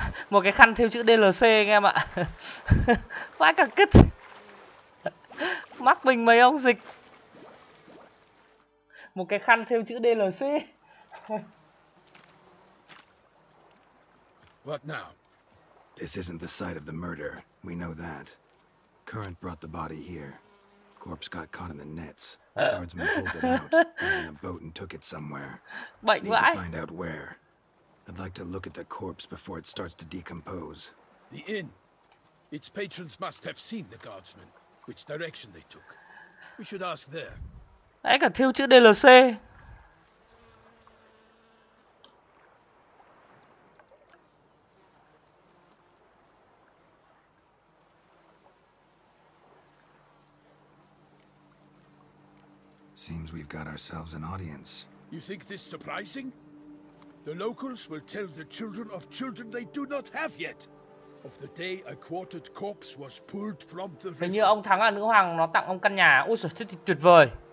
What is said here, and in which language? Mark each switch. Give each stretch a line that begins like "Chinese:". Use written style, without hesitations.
Vietnamese: Một cái khăn theo chữ DLC anh em ạ. Quá cả kích. Mắc mình mấy ông dịch. Một cái khăn theo chữ DLC.
English: What now? This isn't the site of the murder. We know that. Current brought the body here. Corpse got caught in the nets. Guardsmen pulled it out, ran in a boat and took it somewhere. Bệnh need to find out where. I'd like to look at the corpse before it starts to decompose. The inn. Its patrons must have seen the guardsmen. Which direction they took? We should ask there.
Vietnamese: Ấy cả thiếu chữ DLC.
English: Seems we've got ourselves an audience. You think this surprising? The locals will tell the children of children they do not have yet of the day a quartered corpse was pulled from the river.
Vietnamese: Hình như ông thắng là nữ hoàng nó tặng ông căn nhà. Ôi giời, thế thì tuyệt vời.